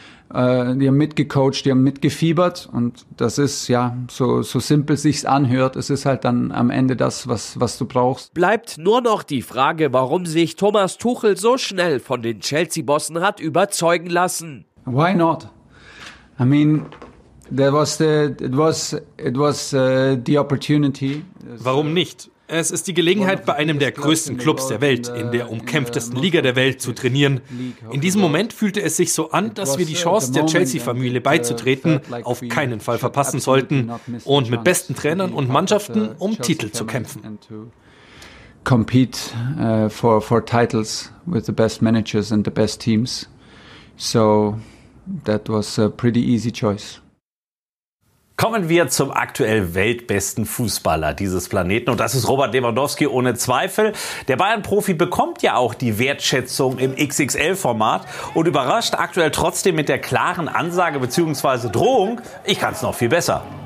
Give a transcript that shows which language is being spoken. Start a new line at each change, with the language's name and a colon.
German: Die haben mitgecoacht, die haben mitgefiebert. Und das ist, ja, so simpel sich's anhört, es ist halt dann am Ende das, was du brauchst. Bleibt nur noch die Frage, warum sich Thomas Tuchel so schnell von den Chelsea-Bossen hat überzeugen lassen.
English: Why not? I mean, it was the opportunity.
German: Warum nicht? Es ist die Gelegenheit, bei einem der größten Clubs der Welt, in der umkämpftesten Liga der Welt zu trainieren. In diesem Moment fühlte es sich so an, dass wir die Chance, der Chelsea-Familie beizutreten, auf keinen Fall verpassen sollten und mit besten Trainern und Mannschaften um Titel zu kämpfen.
English: Compete for titles with the best managers and the best teams. So that was a pretty easy choice.
German: Kommen wir zum aktuell weltbesten Fußballer dieses Planeten. Und das ist Robert Lewandowski ohne Zweifel. Der Bayern-Profi bekommt ja auch die Wertschätzung im XXL-Format und überrascht aktuell trotzdem mit der klaren Ansage bzw. Drohung, ich kann es noch viel besser.